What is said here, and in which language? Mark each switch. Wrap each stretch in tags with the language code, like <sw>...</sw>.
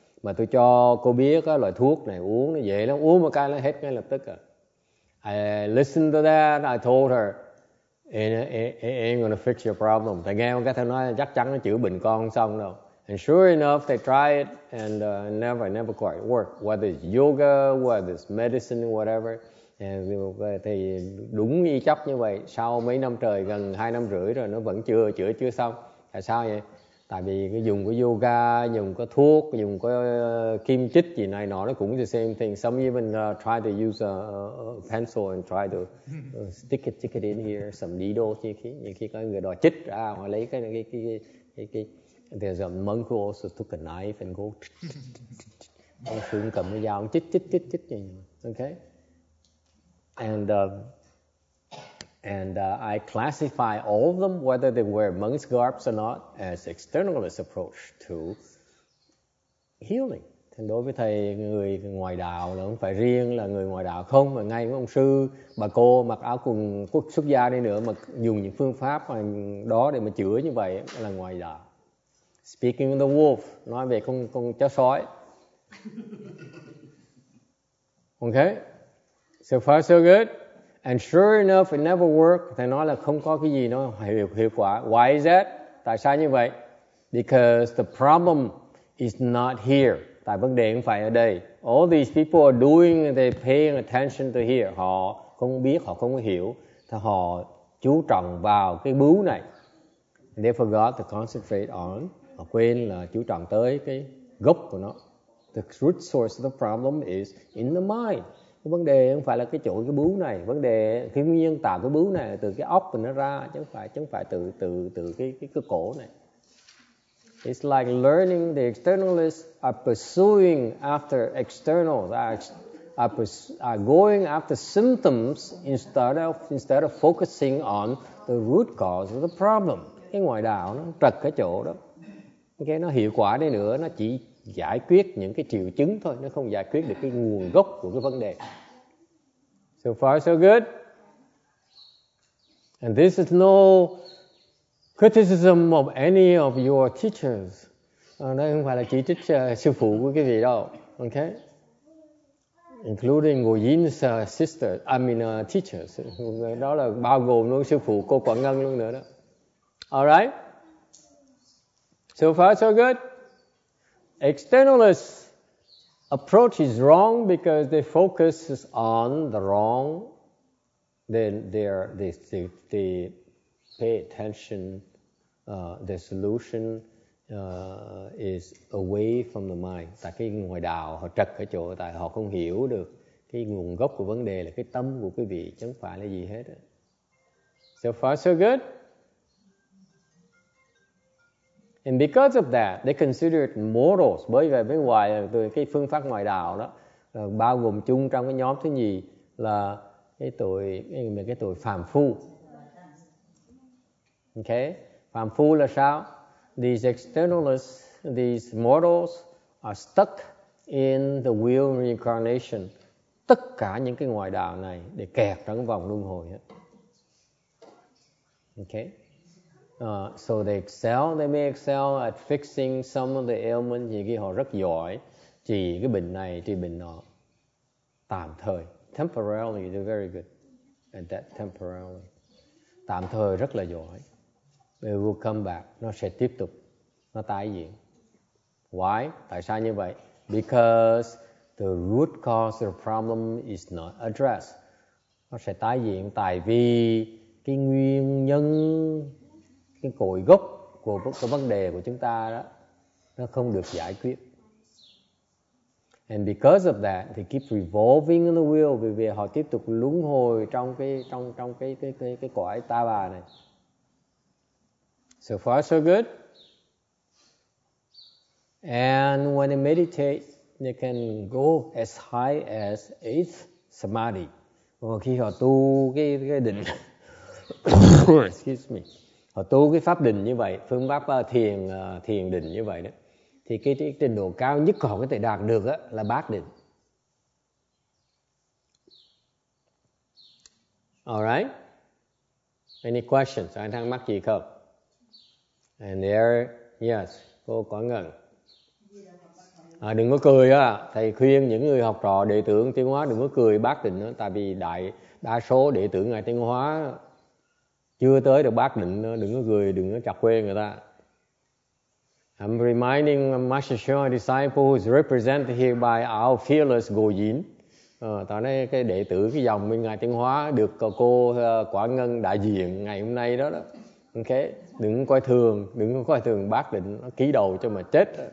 <vi>mà tôi cho cô biết cái loại thuốc này uống nó dễ lắm, uống một cái nó hết ngay lập tức à.</vi> <en>I listened to that, I told her, I'm gonna fix your problem.</en> <vi>Tại nghe cái thằng nói chắc chắn nó chữa bệnh con xong đâu.</vi> <en>And sure enough, they try it and never quite work. Whether it's yoga, whether it's medicine, whatever.</en> <vi>Thì đúng y chấp như vậy, sau mấy năm trời, gần 2 năm rưỡi rồi, nó vẫn chưa xong. Tại sao vậy? Tại vì cái dùng của yoga, dùng có thuốc, dùng có kim chích gì này nọ, nó cũng</vi> <en>the same thing. Some even try to use a pencil and try to stick it in here, some needles.</en> <vi>Nhưng khi có người đòi chích ra, họ lấy cái</vi> <en>there's a monk who also took a knife and go</en> <vi>ông xuống cầm cái dao chích như vậy.</vi> <en>Okay. And I classify all of them, whether they wear monk's garbs or not, as externalist approach to healing.</en> <vi>Thì đối với thầy người ngoài đạo là không phải riêng là người ngoài đạo không, mà ngay ông sư bà cô mặc áo quần quốc xuất gia đi nữa mà dùng những phương pháp đó để mà chữa như vậy là ngoài đạo.</vi> <en>Speaking of the wolf,</en> <vi>nói về con chó sói.</vi> <en>Okay. So far so good. And sure enough, it never worked.</en> <vi>Thầy nói là không có cái gì nó hiệu quả.</vi> <en>Why is that?</en> <vi>Tại sao như vậy?</vi> <en>Because the problem is not here.</en> <vi>Tại vấn đề không phải ở đây.</vi> <en>All these people are doing, they paying attention to here.</en> <vi>Họ không biết, họ không hiểu. Thì họ chú trọng vào cái bướu này.</vi> <en>And they forgot to concentrate on.</en> <vi>Họ quên là chú trọng tới cái gốc của nó.</vi> <en>The root source of the problem is in the mind.</en> <vi>Cái vấn đề không phải là cái chỗ cái bướu này, vấn đề cái nguyên nhân tạo cái bướu này là từ cái óc của nó ra, chứ không phải từ cái cổ này.</vi> <en>It's like learning the externalists are pursuing after externals, are going after symptoms instead of focusing on the root cause of the problem.</en> <vi>Cái ngoại đạo nó trật cái chỗ đó. Okay, nó hiệu quả đi nữa, nó chỉ giải quyết những cái triệu chứng thôi, nó không giải quyết được cái nguồn gốc của cái vấn đề.</vi> <en>So far so good. And this is no criticism of any of your teachers.</en> <vi>Đây không phải là chỉ trích sư phụ của cái gì đâu. Okay.</vi> <en>Including Nguyen's teachers.</en> <vi>Đó là bao gồm luôn sư phụ cô Quảng Ngân luôn nữa đó.</vi> <en>Alright. So far so good. Externalist approach is wrong because they focus on the wrong, then they pay attention, their solution is away from the mind.</en> <vi>Tại cái ngoài đạo họ trật ở chỗ tại họ không hiểu được cái nguồn gốc của vấn đề là cái tâm của quý vị chẳng phải là gì hết.</vi> <en>So far so good. And because of that, they consider it mortals.</en> <vi>Bởi vì bên ngoài, từ cái phương pháp ngoại đạo đó, bao gồm chung trong cái nhóm thứ nhì là cái tội phàm phu. Okay, phàm phu là sao?</vi> <en>These externalists, these mortals are stuck in the wheel reincarnation.</en> <vi>Tất cả những cái ngoại đạo này để kẹt trong vòng luân hồi.</vi> <en>Okay. So they excel, they may excel at fixing some of the ailments.</en> <vi>Thì họ rất giỏi trị cái bệnh này, trị bệnh nọ. Tạm thời,</vi> <en>temporarily, they're very good at that temporarily.</en> <vi>Tạm thời rất là giỏi.</vi> <en>They will come back,</en> <vi>nó sẽ tiếp tục, nó tái diễn.</vi> <en>Why?</en> <vi>Tại sao như vậy?</vi> <en>Because the root cause of the problem is not addressed.</en> <vi>Nó sẽ tái diễn tại vì cái nguyên nhân, cái cội gốc của vấn đề của chúng ta đó nó không được giải quyết.</vi> <en>And because of that they keep revolving in the wheel,</en> <vi>vì vì họ tiếp tục luân hồi trong cái cõi ta bà này.</vi> <en>So far so good. And when they meditate they can go as high as 8th samadhi.</en> <vi>Và khi họ tu cái định</vi> <en>excuse me.</en> <vi>Họ tu cái pháp định như vậy, phương pháp thiền định như vậy đó, thì cái trình độ cao nhất họ có thể đạt được á là bát định.</vi> <en>Alright, any questions?</en> <vi>Ai thắc mắc gì không?</vi> <en>And there, yes,</en> <vi>cô có ngần. À, đừng có cười á, thầy khuyên những người học trò đệ tử Tiên Hóa đừng có cười Bát Định nữa, tại vì đại đa số đệ tử ngài Tiên Hóa chưa tới được Bát Định nữa, đừng có cười, đừng có chọc khuê người ta.</vi> <en>I'm reminding Master Shaw, disciple who's represented here by our fearless Go Yin.</en> <vi>Tại đây cái đệ tử cái dòng bên ngài Tiên Hóa được cô Quả Ngân đại diện ngày hôm nay đó đó. Ok, đừng có coi thường Bát Định, nó ký đầu cho mà chết.</vi>